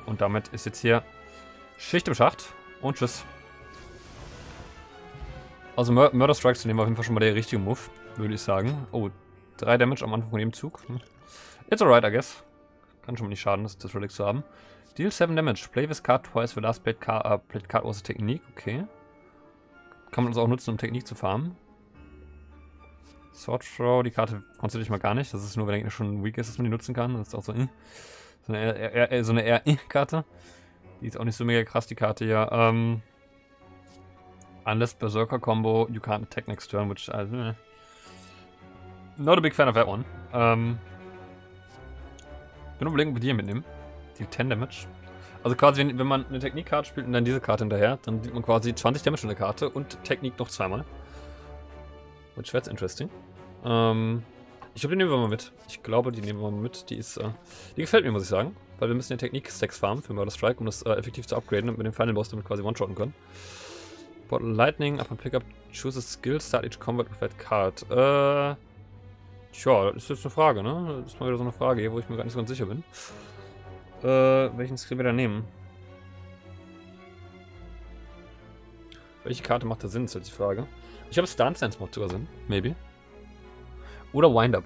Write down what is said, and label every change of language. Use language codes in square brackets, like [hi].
[de] Und damit ist jetzt hier Schicht im Schacht. Und tschüss. Also Murder Strikes zu nehmen war auf jeden Fall schon mal der richtige Move, würde ich sagen. Oh, 3 Damage am Anfang von dem Zug. [en] It's alright, I guess. [de] Kann schon mal nicht schaden, das Relic zu haben. [en] Deal 7 Damage. Play this card twice, with last played card, was a technique. Okay. [de] Kann man uns also auch nutzen, um Technik zu farmen. Sword Throw, die Karte konzentriere ich mal gar nicht. Das ist nur, wenn er schon weak ist, dass man die nutzen kann. Das ist auch so, so eine R-Karte. Die ist auch nicht so mega krass, die Karte hier. [en] Unless Berserker Combo, you can't attack next turn, which I. Not a big fan of that one. [de] Bin überlegen, ob wir die hier mitnehmen. Die 10 Damage. Also quasi, wenn man eine Technik-Karte spielt und dann diese Karte hinterher, dann sieht man quasi 20 Damage in der Karte und Technik noch zweimal. [en] Which that's interesting. [de] Ich glaube, die nehmen wir mal mit. Ich glaube, die nehmen wir mal mit. Die ist, die gefällt mir, muss ich sagen. Weil wir müssen ja Technik-Stacks farmen für Murder Strike, um das effektiv zu upgraden und mit dem Final Boss damit quasi one-shotten können. [en] Bottle Lightning, upon Pickup, choose a skill, start each combat with that card. [de] Tja, ist jetzt eine Frage, ne? Das ist mal wieder so eine Frage hier, wo ich mir gar nicht so ganz sicher bin. Welchen Skill wir da nehmen? Welche Karte macht da Sinn, ist jetzt die Frage. Ich glaube, Stance Dance macht sogar Sinn. Maybe. Oder Windup.